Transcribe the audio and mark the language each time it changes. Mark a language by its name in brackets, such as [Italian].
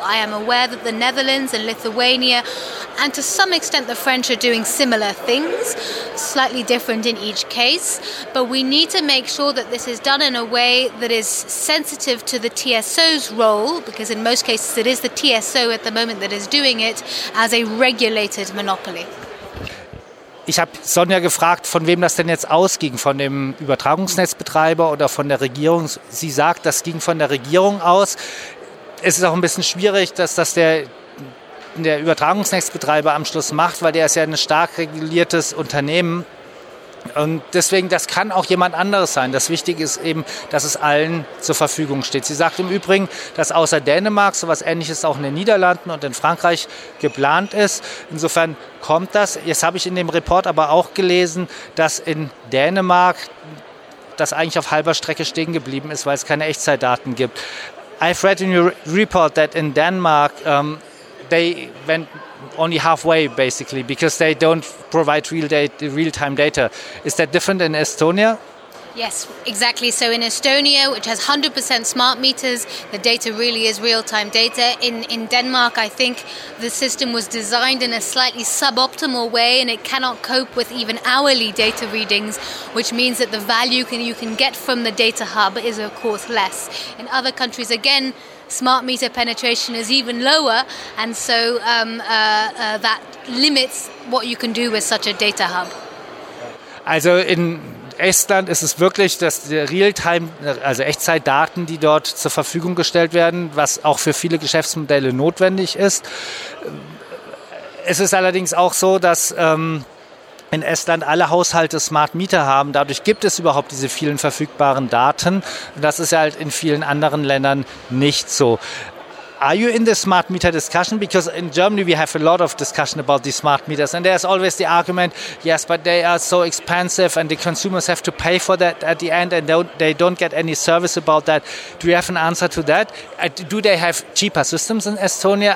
[English] I am aware that the Netherlands and Lithuania, and to some extent the French, are doing similar things, slightly different in each case. But we need to make sure that this is done in a way that is sensitive to the TSO's role, because in most cases it is the TSO at the moment that is doing it as a regulated monopoly. [German] Ich habe Sonja gefragt, von wem das denn jetzt ausging, von dem Übertragungsnetzbetreiber oder von der Regierung. Sie sagt, das ging von der Regierung aus. Es ist auch ein bisschen schwierig, dass das der Übertragungsnetzbetreiber am Schluss macht, weil der ist ja ein stark reguliertes Unternehmen. Und deswegen, das kann auch jemand anderes sein. Das Wichtige ist eben, dass es allen zur Verfügung steht. Sie sagt im Übrigen, dass außer Dänemark sowas Ähnliches auch in den Niederlanden und in Frankreich geplant ist. Insofern kommt das. Jetzt habe ich in dem Report aber auch gelesen, dass in Dänemark das eigentlich auf halber Strecke stehen geblieben ist, weil es keine Echtzeitdaten gibt. [English] I've read in your report that in Denmark they went only halfway basically because they don't provide real-time data. Is that different in Estonia? Yes, exactly. So in Estonia, which has 100% smart meters, the data really is real-time data. In Denmark, I think the system was designed in a slightly suboptimal way and it cannot cope with even hourly data readings, which means that the value you can get from the data hub is, of course, less. In other countries, again, smart meter penetration is even lower, and so that limits what you can do with such a data hub. [German] Also in Estland ist es wirklich, dass die Real-Time, also Echtzeitdaten, die dort zur Verfügung gestellt werden, was auch für viele Geschäftsmodelle notwendig ist. Es ist allerdings auch so, dass in Estland alle Haushalte Smart Meter haben. Dadurch gibt es überhaupt diese vielen verfügbaren Daten. Das ist ja halt in vielen anderen Ländern nicht so. [English] Are you in the smart meter discussion? Because in Germany we have a lot of discussion about the smart meters, and there's always the argument, yes, but they are so expensive and the consumers have to pay for that at the end and they don't get any service about that. Do you have an answer to that? Do they have cheaper systems in Estonia?